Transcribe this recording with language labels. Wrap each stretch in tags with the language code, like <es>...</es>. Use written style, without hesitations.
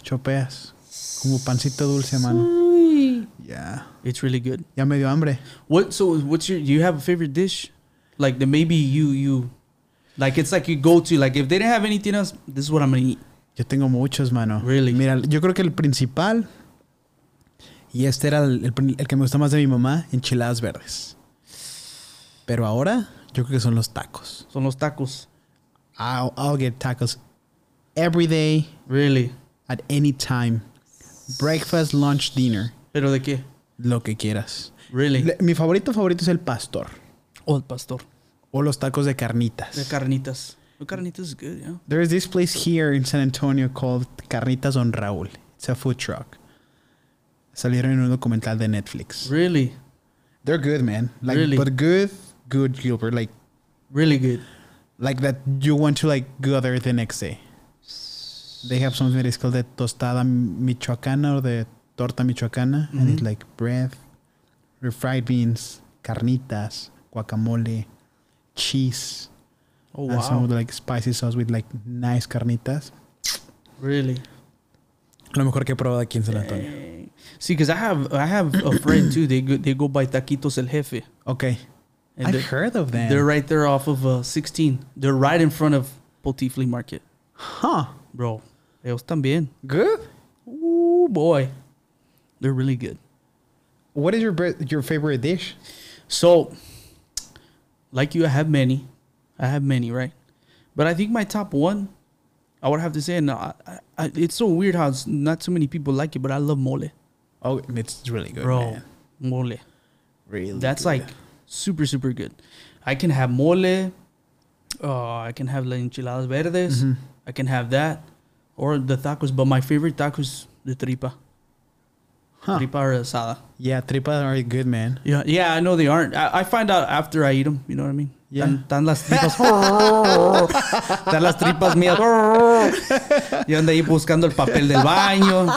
<es>Chopeas. Como pancito dulce, mano. Yeah.</es> <en>It's really good.</en> <es>Ya me dio hambre.</es> <en>What? So what's your... Do you have a favorite dish? Like the maybe you... Like it's like you go to... Like if they didn't have anything else, this is what I'm going to eat.</en> <es>Yo tengo muchos, mano.</es> <en>Really?</en> <es>Mira, yo creo que el principal... Y este era el que me gusta más de mi mamá, enchiladas verdes. Pero ahora, yo creo que son los tacos. Son los tacos.</es> <en>I'll get tacos every day. Really? At any time. Breakfast, lunch, dinner.</en> <es>¿Pero de qué? Lo que quieras.</es> <en>Really?</en> <es>Mi favorito es el pastor. O el pastor. O los tacos de carnitas. De carnitas.</es> <en>The carnitas is good, yeah. There is this place here in San Antonio called Carnitas Don Raúl. It's a food truck.</en> <es>Salieron en un documental de Netflix.</es> <en>Really? They're good, man. Like, really? But good, Gilbert. Like, really good. Like that you want to like go there the next day. They have something that is called the tostada michoacana or the torta michoacana, mm-hmm. and it's like bread, refried beans, carnitas, guacamole, cheese, oh, and wow. some of the like spicy sauce with like nice carnitas. Really?</en> <es>Lo mejor que he probado aquí en San Antonio.</es> <en>See, because I have a friend too. They go by Taquitos El Jefe. Okay. And I've heard of them. They're right there off of 16. They're right in front of Poti Flea Market. Huh.</en> <es>Bro. Ellos también.</es> <en>Good? Ooh, boy. They're really good. What is your favorite dish? So, like you, I have many, right? But I think my top one, I would have to say, and I, it's so weird how it's not so many people like it, but I love mole. Oh, it's really good, bro, man. Mole. Really? That's good. Like super, super good. I can have mole. I can have las enchiladas verdes. Mm-hmm. I can have that. Or the tacos, but my favorite tacos is the tripa. Huh. Tripa or asada. Yeah, tripa are good, man. Yeah, I know they aren't. I find out after I eat them, you know what I mean? Yeah.</en> <es>Tan las tripas. Tan las tripas mías. Yo ando ahí buscando el papel del baño.</es>